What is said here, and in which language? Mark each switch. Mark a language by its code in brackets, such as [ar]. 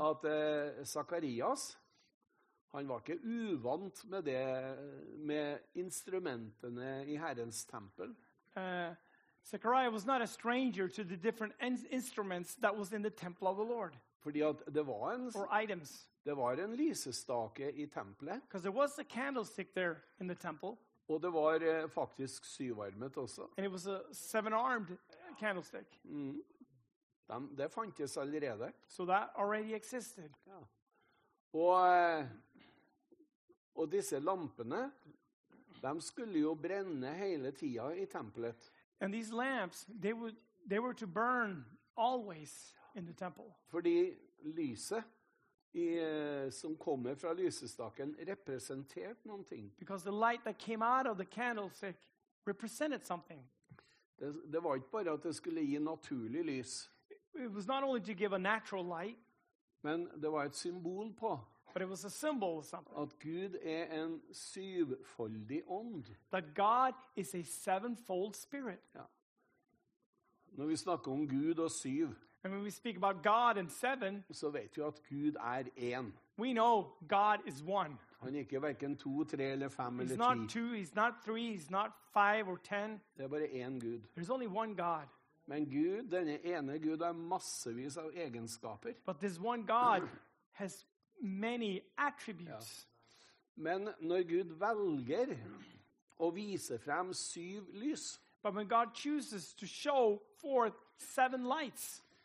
[no] At Zacharias, han var ikke uvant med det, med instrumentene i Herrens tempel. [en] Zechariah was not a stranger to the different instruments that was in the temple of the Lord. [no] Fordi at det var en, [en] or items. [no] Det var en lysestake i tempelet. [en] Because there was a candlestick there in the temple. [no] Og det var faktisk syvarmet også. [en] And it was a 7-armed candlestick. [no] Mm. Det fantes allerede. [en] So that already existed. [no] Ja. Og disse lampene, de skulle jo brenne hele tiden i tempelet. [en] And these lamps, they were to burn always in the temple. [no] Fordi lyset som kommer fra lysestaken representerte noen ting. [en] Because the light that came out of the candlestick represented something. [no] Det var ikke bare at det skulle gi naturlig lys. [en] It was not only to give a natural light. [no] Men det var et symbol på. [en] But it was a symbol of something. [no] At Gud en syvfoldig ånd. [en] That God is a 7-fold spirit. [no] Ja. Når vi snakker om Gud og 7. [en] And when we speak about God and 7. [no] Så vet vi at Gud en. [en] We know God is one. [no] Han ikke hverken 2, 3 eller 5 eller 10. [en] He's not 2, he's not 3, he's not 5 or 10. [no] Det bare en Gud. [en] There's only one God. [no] Men Gud, denne ene Gud, har massevis av egenskaper. [en] But this one God has many attributes. [no] Ja. Men når Gud velger å vise frem 7 lys, [en] but when God chooses to show forth 7 lights,